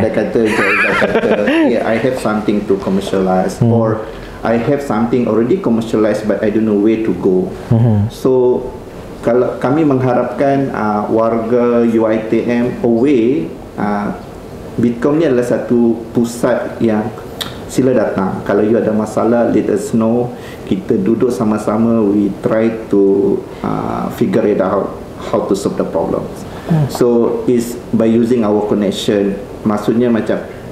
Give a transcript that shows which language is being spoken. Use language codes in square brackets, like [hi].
[ms] Dia kata, [en] yeah, I have something to commercialize or I have something already commercialized but I don't know where to go. [ms] So kalau kami mengharapkan warga UiTM away, Bitkom ni adalah satu pusat yang sila datang. Kalau you ada masalah, [en] let us know. [ms] Kita duduk sama-sama, [en] we try to figure it out how to solve the problems. So, is by using our connection, [ms] maksudnya macam